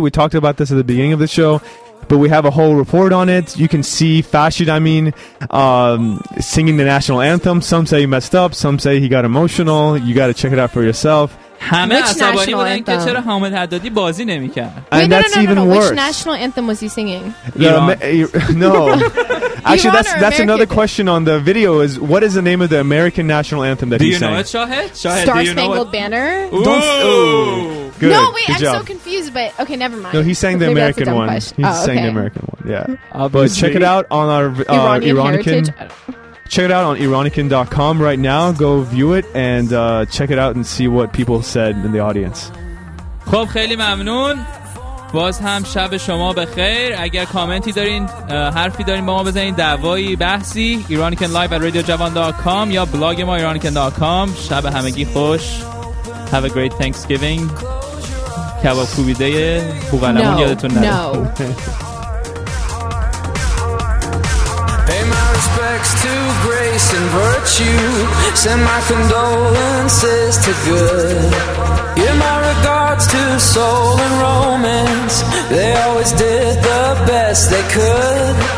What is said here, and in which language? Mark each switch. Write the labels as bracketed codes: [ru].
[en] We talked about this at the beginning of the show, but we have a whole report on it. You can see Fashid Amin singing the national anthem. Some say he messed up. Some say he got emotional. You got to check it out for yourself. [fa] همه عصبانی بودن که چرا حامد حدادی بازی نمی کرد. [en] And that's even worse. Which national anthem was he singing? No. Actually, that's another question on the video is what is the name of the American national anthem that he sang? Do you know it, Shahid? Star Spangled Banner? Good. No, wait, I'm so confused, but okay, never mind. No, he sang the American one. He sang the American one, yeah. But check it out on our Iranian heritage. Check it out on Iranikin.com right now. Go view it and check it out and see what people said in the audience. [fa] خب خیلی ممنون. باز هم شب شما بخیر. اگر کامنتی دارین، حرفی دارین با ما بزنین، دعوایی، بحثی، Iranikin live at radiojavan.com یا بلاگ ما Iranikin.com. شب همگی خوش. [en] Have a great Thanksgiving. [fa] کباب کوبیده بوقلمون یادتون نره. [en] No. To grace and virtue, send my condolences to good. Give my regards to soul and romance, they always did the best they could.